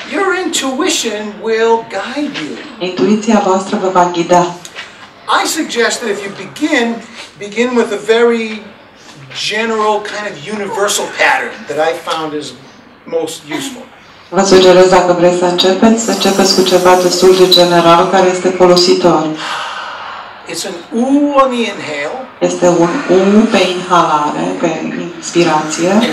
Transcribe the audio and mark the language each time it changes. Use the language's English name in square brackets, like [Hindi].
[English] Your intuition will guide you. [Romanian] Intuiția voastră vă va ghida. [English] I suggest that if you begin with a very general kind of universal pattern that I found is most useful. [Romanian] Vă sugerez, dacă vreți să începeți, să începeți cu ceva destul de general care este folositor. [English] It's an U on the inhale. [Romanian] Este un U pe inhalare, pe inspirație.